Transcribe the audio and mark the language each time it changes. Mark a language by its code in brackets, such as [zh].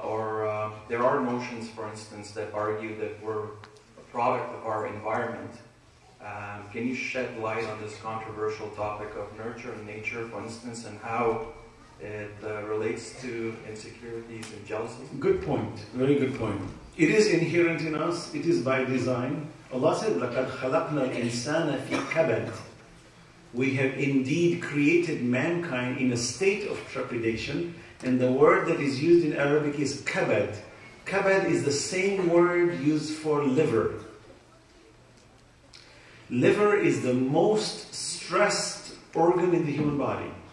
[en] Or there are notions, for instance, that argue that we're a product of our environment. Can you shed light on this controversial topic of nurture and nature, for instance, and how it relates to insecurities and jealousies? Good point. Very good point. It is inherent in us. It is by design. Allah said, [ar] لَقَدْ خَلَقْنَا الْإِنسَانَ فِي كَبَدٍ. [en] We have indeed created mankind in a state of trepidation. And the word that is used in Arabic is kabad. Kabad is the same word used for liver. Liver is the most stressed organ in the human body.